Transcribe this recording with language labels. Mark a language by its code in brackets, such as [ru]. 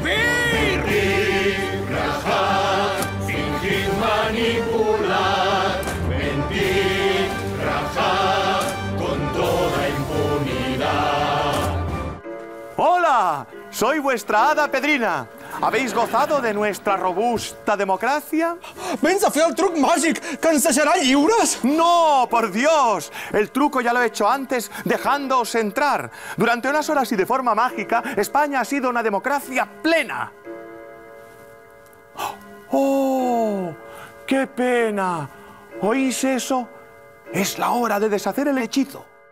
[es] Fingir, rajar, fingir, manipular. Mentir, rajar, con toda impunidad. ¡Hola! Soy vuestra hada Pedrina. ¿Habéis gozado de nuestra robusta democracia? [ca] ¿Vens a fer el truc màgic que ens deixarà lliures? [es] ¡No, por Dios! El truco ya lo he hecho antes, dejándoos entrar. Durante unas horas y de forma mágica, España ha sido una democracia plena. ¡Oh, qué pena! ¿Oís eso? Es la hora de deshacer el hechizo.